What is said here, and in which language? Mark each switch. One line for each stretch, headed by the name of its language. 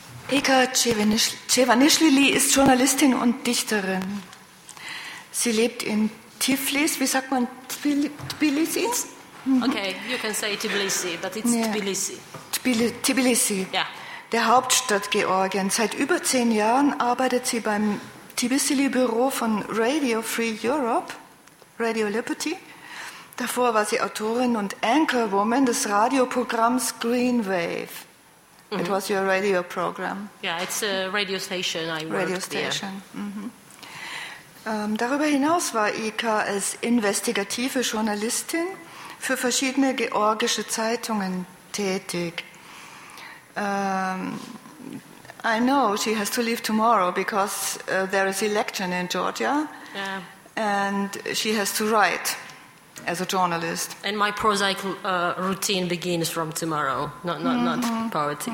German: Eka Csivanisvili ist Journalistin und Dichterin. Sie lebt in Tiflis, wie sagt man, Tbilisi?
English: Okay, you can say Tbilisi, but it's yeah. Tbilisi. Tbilisi, yeah.
German: Der Hauptstadt Georgien. Seit über 10 Jahren arbeitet sie beim Tbilisi-Büro von Radio Free Europe, Radio Liberty. Davor war sie Autorin und Anchorwoman des Radioprogramms Green Wave.
English: Mm-hmm. It was your radio program. Yeah, it's a radio station I worked Radio station, there. Mm-hmm.
German: Darüber hinaus war Eka als investigative Journalistin für verschiedene georgische Zeitungen tätig.
English: I know she has to leave tomorrow because there is election in Georgia. Yeah. And she has to write as a journalist. And my prosaic routine begins from tomorrow, not poetic.